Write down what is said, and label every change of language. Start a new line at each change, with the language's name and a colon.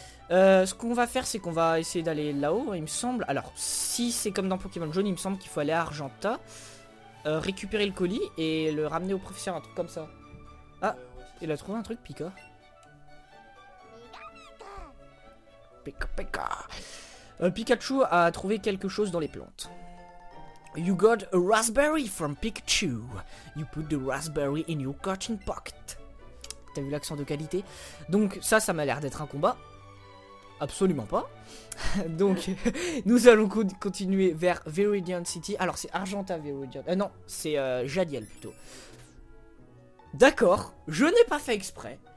French: Ce qu'on va faire, c'est qu'on va essayer d'aller là-haut, il me semble. Alors, si c'est comme dans Pokémon Jaune, il me semble qu'il faut aller à Argenta, récupérer le colis et le ramener au professeur, un truc comme ça. Ah, ouais, il a trouvé un truc, Pika. Pika, Pika. Pikachu a trouvé quelque chose dans les plantes.
English: You got a raspberry from Pikachu. You put the raspberry in your coaching pocket.
French: T'as vu l'accent de qualité? Donc, ça, ça m'a l'air d'être un combat. Absolument pas. Donc, nous allons continuer vers Viridian City. Alors, c'est Argenta Viridian. Ah non, c'est Jadiel plutôt. D'accord, je n'ai pas fait exprès.